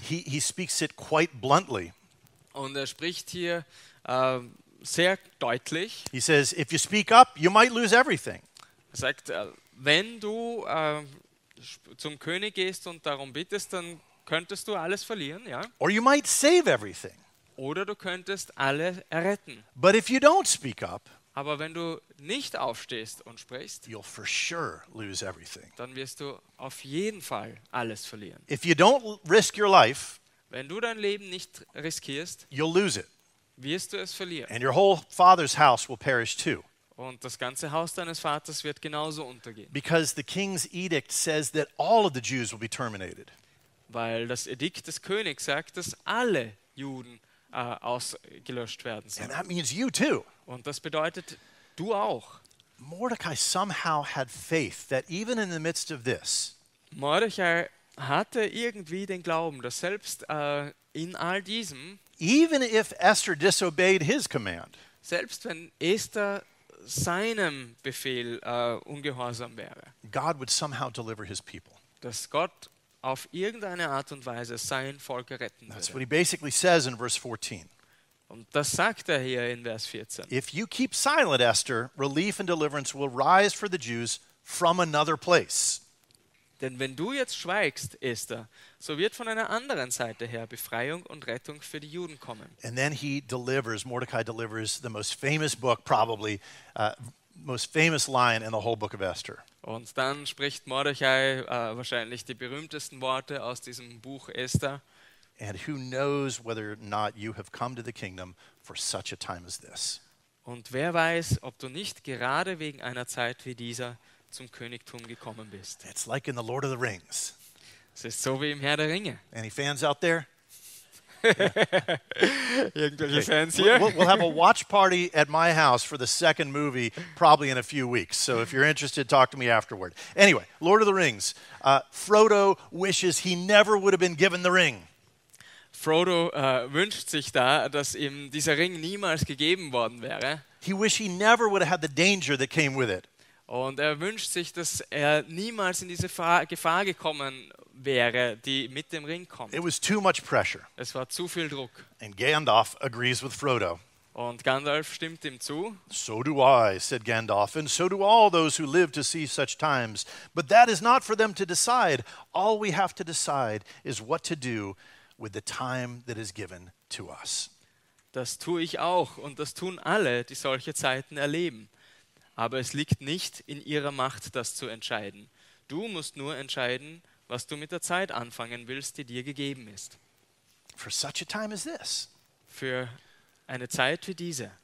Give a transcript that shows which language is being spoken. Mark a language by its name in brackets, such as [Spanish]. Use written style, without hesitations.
[English] He speaks it quite bluntly. [German] Und spricht hier sehr deutlich. [English] He says, if you speak up, you might lose everything. [German] Er sagt, wenn du zum König gehst und darum bittest, dann könntest du alles verlieren, ja? [English] Or you might save everything. [German] Oder du könntest alle erretten. [English] But if you don't speak up, [German] aber wenn du nicht aufstehst und sprichst, [English] you'll for sure lose everything. [German] Dann wirst du auf jeden Fall alles verlieren. [English] If you don't risk your life, [German] wenn du dein Leben nicht riskierst, [English] you'll lose it. [German] Wirst du es verlieren. [English] And your whole father's house will perish too. [German] Und das ganze Haus deines Vaters wird genauso untergehen. [English] Because the king's edict says that all of the Jews will be terminated. [German] Weil das Edikt des Königs sagt, dass alle Juden ausgelöscht werden sollen. [English] And that means you too. [German] Und das bedeutet du auch. [English] Mordecai somehow had faith that even in the midst of this. [German] Mordecai hatte irgendwie den Glauben, dass selbst in all diesem, [English] even if Esther disobeyed his command, [German] selbst wenn Esther seinem Befehl ungehorsam wäre, [English] God would somehow deliver his people. [German] Dass Gott auf irgendeine Art und Weise sein Volk retten würde. [English] That's what he basically says in verse 14. [German] Und das sagt hier in Vers 14. [English] If you keep silent, Esther, relief and deliverance will rise for the Jews from another place. [German] Denn wenn du jetzt schweigst, Esther, so wird von einer anderen Seite her Befreiung und Rettung für die Juden kommen. [English] And then he delivers, Mordecai delivers the most famous book, probably most famous line in the whole book of Esther. [German] Und dann spricht Mordecai wahrscheinlich die berühmtesten Worte aus diesem Buch Esther. [English] And who knows whether or not you have come to the kingdom for such a time as this. [German] Und wer weiß, ob du nicht gerade wegen einer Zeit wie dieser zum Königtum gekommen bist. [English] It's like in the Lord of the Rings. [German] Es ist so wie im Herr der Ringe. [English] Any fans out there? [German] Yeah. Irgendwelche okay. Fans hier? [English] We'll have a watch party at my house for the second movie probably in a few weeks. So if you're interested, talk to me afterward. Anyway, Lord of the Rings. Frodo wishes he never would have been given the ring. [German] Frodo wünscht sich da, dass ihm dieser Ring niemals gegeben worden wäre. [English] He wish he never would have had the danger that came with it. [German] Und er wünscht sich, dass er niemals in diese Gefahr gekommen wäre, die mit dem Ring kommt. [English] It was too much pressure. [German] Es war zu viel Druck. [English] And Gandalf agrees with Frodo. [German] Und Gandalf stimmt ihm zu. [English] So do I, said Gandalf, and so do all those who live to see such times. But that is not for them to decide. All we have to decide is what to do with the time that is given to us. [German] Das tue ich auch und das tun alle, die solche Zeiten erleben. Aber es liegt nicht in ihrer Macht, das zu entscheiden. Du musst nur entscheiden, was du mit der Zeit anfangen willst, die dir gegeben ist. [English] For such a time as this. [German] Für eine Zeit wie diese.